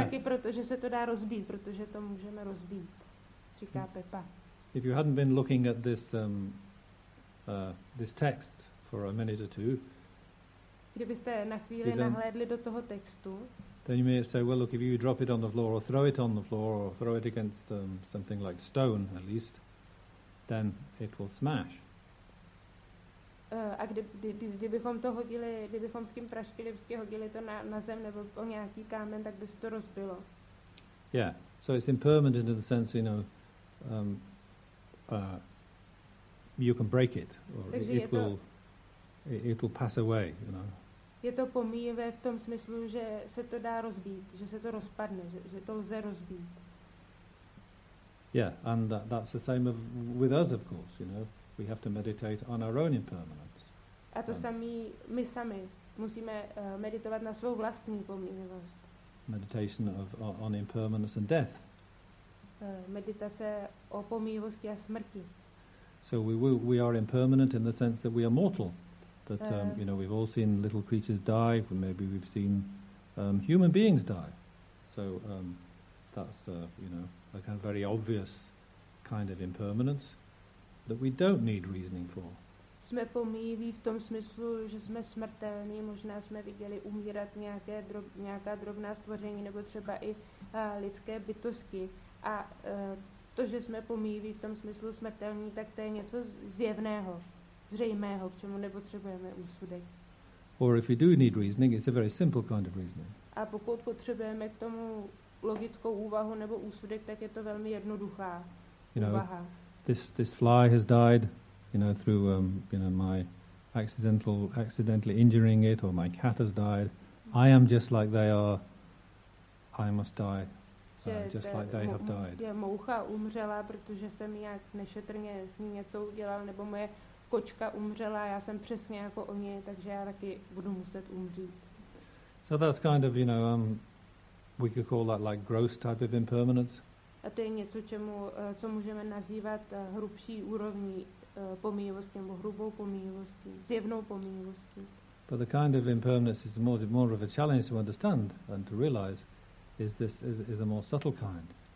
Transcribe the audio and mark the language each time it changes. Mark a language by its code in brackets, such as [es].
[cs] A taky proto, že se to dá rozbít, protože to můžeme rozbít, říká Pepa. [en] If you hadn't been looking at this this text for a minute or two, [cs] kdybyste na chvíli nahlédli do toho textu, [en] then you may say, well, look, if you drop it on the floor or throw it on the floor or throw it against something like stone, at least, then it will smash. [cs] A kdybychom to hodili, kdybychom s tím praškili, vždycky hodili to na zem nebo po nějaký kámen, tak by se to rozbilo. [en] Yeah, so it's impermanent in the sense, you know, you can break it, or it will pass away, you know. [cs] Je to pomíjivé v tom smyslu, že se to dá rozbít, že se to rozpadne, že to lze rozbít. [en] Yeah, and that's the same with us, of course, you know. We have to meditate on our own impermanence. [cs] A to samý, my sami musíme meditovat na svou vlastní pomíjivost. [en] Meditation on impermanence and death. [cs] Meditace o pomíjivosti a smrti. [en] So we are impermanent in the sense that we are mortal. That you know, we've all seen little creatures die. Maybe we've seen human beings die. So that's you know, a kind of very obvious kind of impermanence that we don't need reasoning for. [cs] Jsme pomíjiví v tom smyslu, že jsme smrtelní. Možná jsme viděli umírat nějaká drobná stvoření nebo třeba i lidské bytosti. A to, že jsme pomíjiví v tom smyslu smrtelní, tak to je něco zjevného. Zřejmého, k čemu nepotřebujeme úsudek. [en] Or if we do need reasoning, it's a very simple kind of reasoning. [cs] A pokud potřebujeme k tomu logickou úvahu nebo úsudek, tak je to velmi jednoduchá úvaha. [en] You know, this fly has died, you know, through you know, my accidentally injuring it, or my cat has died. I am just like they are. I must die. Just like they have died. [cs] Je moucha umřela, protože jsem nějak nešetrně s ní něco udělal, nebo moje kočka umřela, já jsem přesně jako oni, takže já taky budu muset umřít. [en] So that's kind of, you know, we could call that like gross type of impermanence. [cs] A to je něco, čemu, co můžeme nazývat hrubší úrovní pomíjivosti, nebo hrubou pomíjivosti, zjevnou pomíjivosti. [en] But the kind of impermanence is more of a challenge to understand and to realize is a more subtle kind.